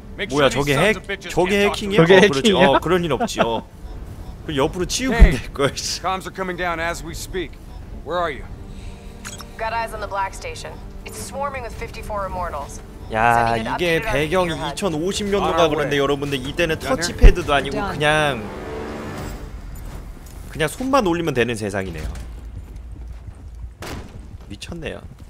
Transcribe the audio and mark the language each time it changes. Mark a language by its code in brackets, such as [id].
[ko] 뭐야, 저게 핵, 저게 해킹이야? 저게 어, 해킹이야? 그렇지. 어, 그런 일 없지, 어. 그 옆으로 치우면 될 거야, 씨. [en] Comms are coming down as we speak. Where are you? Got eyes on the Black Station. It's swarming with 54 immortals. [ko] 야, 이게 배경이 2050년도가 그런데 여러분들 이때는 터치패드도 아니고 그냥 손만 올리면 되는 세상이네요. 미쳤네요.